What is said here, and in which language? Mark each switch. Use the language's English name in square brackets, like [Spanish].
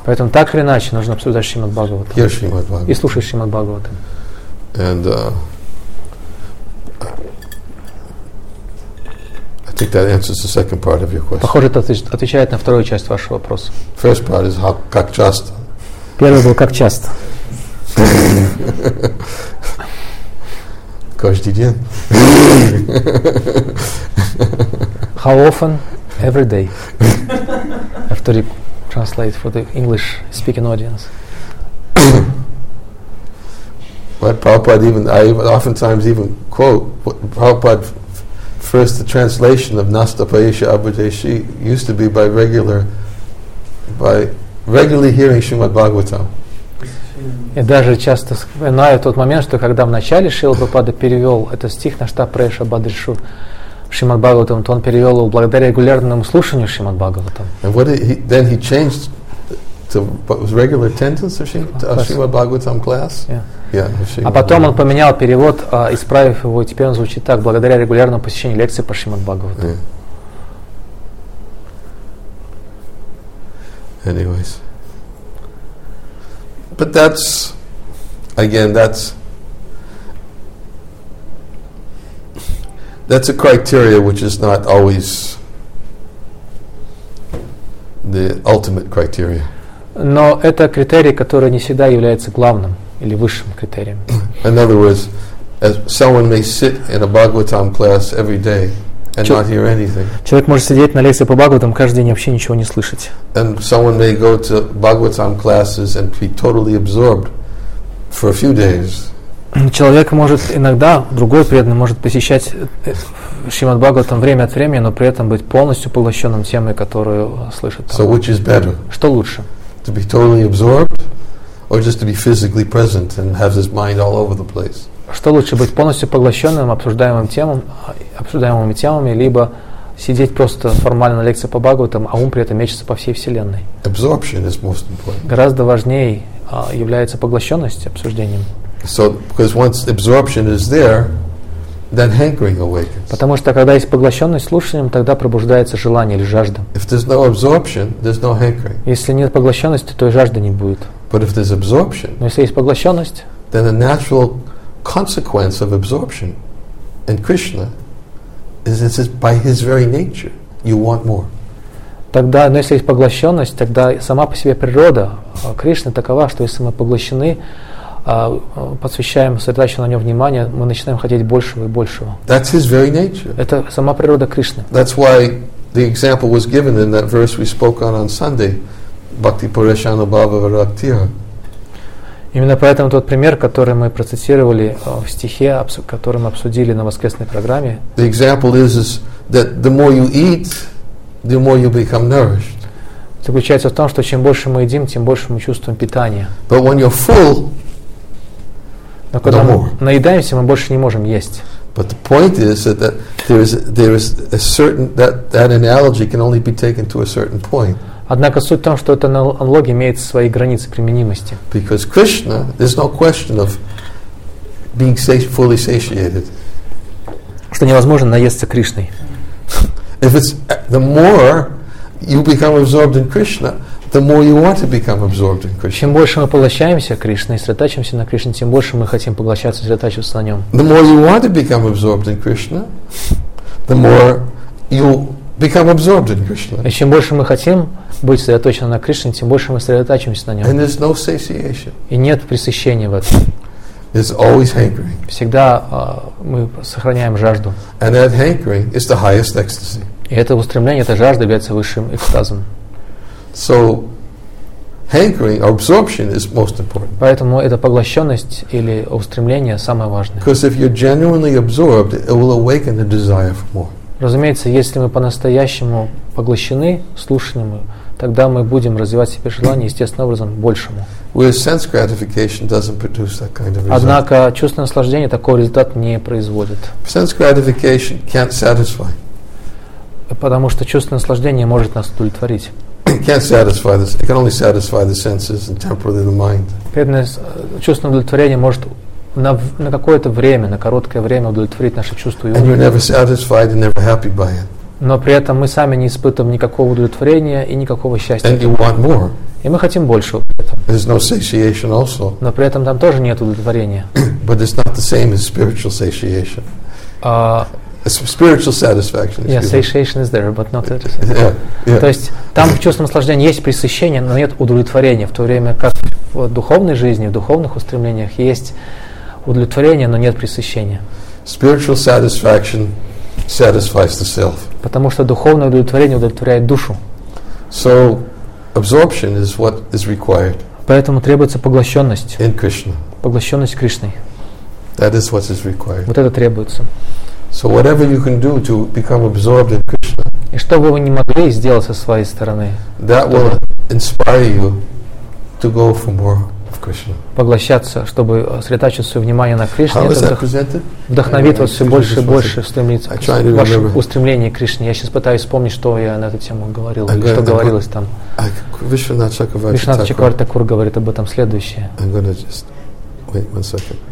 [Russian] Поэтому так или иначе нужно обсуждать Шримад Бхагаватам. [English] Hear Shrimad Bhagavatam. [Russian] И слушать Шримад Бхагаватам. [English] And I think that answers the second part of your question. [Russian] Похоже, это отвечает на вторую часть вашего вопроса. [English] First part is how, [Russian] как часто. Первый был как часто. Каждый день. [English] How often? Every day. After you translate for the English speaking audience. But Prabhupada even, I oftentimes quote Prabhupada. First, the translation of Nasta Paesha Abhudeshi used to be by regularly hearing Shrimad Bhagavatam. [Russian] И даже часто вспоминаю тот момент, что когда в начале Шрила Прабхупада перевел этот стих Нашта Прэша Бадришу Шримад Бхагаватам, то он перевел его благодаря регулярному слушанию Шримад Бхагаватам. [English] And what then he changed to regular attendance of Shrimad Bhagavatam class? Yeah. Yeah, [Russian] а потом он поменял перевод, исправив его, и теперь он звучит так, благодаря регулярному посещению лекции по Шримад Бхагаватам. [English] Yeah. Anyways. But that's, again, that's a criteria which is not always the ultimate criteria. [Russian] Но это критерий, который не всегда является главным или высшим критерием. [English] In other words, as someone may sit in a Bhagavatam class every day and not hear anything. [Russian] Человек может сидеть на лекции по Бхагаватам каждый день и вообще ничего не слышать. [English] And someone may go to Bhagavatam classes and be totally absorbed for a few days. [Russian] Человек может иногда, другой преданный может посещать Шримад Бхагаватам время от времени, но при этом быть полностью поглощенным темой, которую слышит. [English] So which is better? [Russian] Что лучше? [English] To be totally absorbed or just to be physically present and have his mind all over the place? [Russian] Что лучше, быть полностью поглощенным обсуждаемыми темами, либо сидеть просто формально на лекции по Бхагаватам, а ум при этом мечется по всей Вселенной? [English] Absorption is most important. [Russian] Гораздо важнее является поглощенность обсуждением. [English] So, because once absorption is there, then hankering awakens. [Russian] Потому что когда есть поглощенность слушанием, тогда пробуждается желание или жажда. [English] If there's no absorption, there's no hankering. [Russian] Если нет поглощенности, то и жажды не будет. [English] But if there's absorption, [Russian] но если есть поглощенность, [English] then a natural consequence of absorption in Krishna is that by his very nature you want more. [Russian] Тогда, но если есть поглощенность, тогда сама по себе природа Кришны такова, что если мы поглощены, посвящаем сосредоточенно на нем внимание, мы начинаем хотеть большего и большего. [English] That's his very nature. [Russian] Это сама природа Кришны. [English] That's why the example was given in that verse we spoke on Sunday, Bhakti Pureshano Bhava Varaktiha. [Russian] Именно поэтому тот пример, который мы процитировали в стихе, который мы обсудили на воскресной программе. [English] The example is that the more you eat, the more you become nourished. [Russian] Заключается в том, что чем больше мы едим, тем больше мы чувствуем питание. [English] But when you're full, [Russian] но когда мы наедаемся, мы больше не можем есть. [English] But the point is that there is a certain that analogy can only be taken to a certain point. [Russian] Однако суть в том, что эта аналогия имеет свои границы применимости. [English] Because Krishna, there's no question of being fully satiated. [Russian] Что невозможно наесться Кришной. [English] If it's the more you become absorbed in Krishna, the more you want to become absorbed in Krishna. [Russian] Чем больше мы поглощаемся Кришной, сосредотачиваемся на Кришне, тем больше мы хотим поглощаться, сосредотачиваться на Нем. [English] The more you want to become absorbed in Krishna, the more you become absorbed in Krishna. [Russian] И чем больше мы хотим быть сосредоточены на Кришне, тем больше мы сосредотачиваемся на Нем. [English] And there's no satiation. [Russian] И нет пресыщения в этом. [English] It's always hankering. [Russian] Всегда мы сохраняем жажду. [English] And that hankering is the highest ecstasy. [Russian] И это устремление, эта жажда является высшим экстазом. [English] So, hankering, absorption is most important. [Russian] Поэтому эта поглощенность или устремление самое важное. [English] Because if you're genuinely absorbed, it will awaken the desire for more. [Russian] Разумеется, если мы по-настоящему поглощены слушанием, тогда мы будем развивать себе желание естественным образом большему. [English] Where sense gratification doesn't produce that kind of result. [Russian] Однако чувственное наслаждение такого результата не производит. [English] Sense gratification can't satisfy. [Russian] Потому что чувственное наслаждение может нас удовлетворить. [English] Can't satisfy this. It can only satisfy the senses and temporarily the mind. [Russian] Чувственное удовлетворение может на какое-то время, на короткое время удовлетворить наши чувства и ум. [English] And you're never satisfied and never happy by it. [Russian] Но при этом мы сами не испытываем никакого удовлетворения и никакого счастья. [English] And you want more. [Russian] И мы хотим больше. [English] There's no satiation also. [Russian] Но при этом там тоже нет удовлетворения. [English] But it's not the same as spiritual satiation. Spiritual satisfaction. Yes, satiation is there, but not that. [Russian] То есть там чувство наслаждения есть пресыщение, но нет удовлетворения. В то время как в духовной жизни, в духовных устремлениях есть удовлетворение, но нет пресыщения. [English] Spiritual satisfaction satisfies the self. [Russian] Потому что духовное удовлетворение удовлетворяет душу. [English] So absorption is what is required. [Russian] Поэтому требуется поглощенность. [English] In Krishna. [Russian] Поглощенность Кришной. [English] That is what is required. [Russian] Вот это требуется. [English] So whatever you can do to become absorbed in Krishna. [Russian] И что бы вы ни могли сделать со своей стороны. [English] That will inspire you to go for more of Krishna. [Russian] Поглощаться, чтобы сосредоточить свое внимание на Кришне. [English] How is that presented? [Russian] Вдохновит вас все больше и больше стремиться к вашему устремлению к Кришне. Я сейчас пытаюсь вспомнить, что я на эту тему говорил, что говорилось там. Вишванатха Чакравартти Такур говорит об этом следующее. [English] I'm gonna just wait one second.